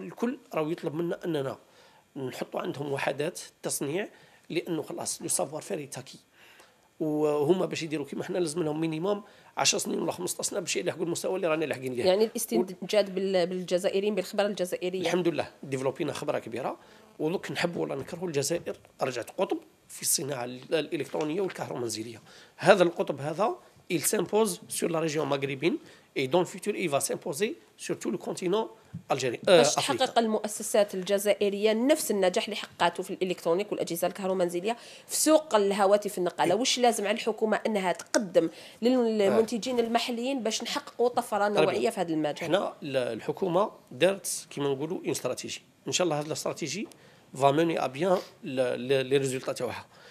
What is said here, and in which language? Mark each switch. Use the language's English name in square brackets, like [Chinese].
[Arabic] الكل راهو يطلب منا اننا نحطوا عندهم وحدات تصنيع لانه خلاص لو سافوار فير تاكي، وهما باش يديروا كيما حنا لازم لهم مينيموم 10 سنين ولا 15 سنه باش يلحقوا المستوى اللي رانا لاحقين ليه. يعني الاستنتاج بالجزائريين بالخبره الجزائريه الحمد لله ديفلوبينا خبره كبيره. ودوك نحبوا ولا نكرهوا الجزائر رجعت قطب في الصناعه الالكترونيه والكهرومنزليه. هذا القطب هذا [French] il s'impose sur la région maghrébine et dans le futur il va s'imposer sur tout le continent algérien. [Arabic] حقق المؤسسات الجزائريه نفس النجاح اللي حققته في الالكترونيك والاجهزه الكهرومنزليه في سوق الهواتف النقاله. واش لازم على الحكومه انها تقدم للمنتجين المحليين باش نحققوا طفره نوعيه في هذا المجال؟ حنا الحكومه دارت كما نقولوا ان استراتيجي، ان شاء الله هذه الاستراتيجي [French] va mener à bien les résultats [Arabic] تاعها.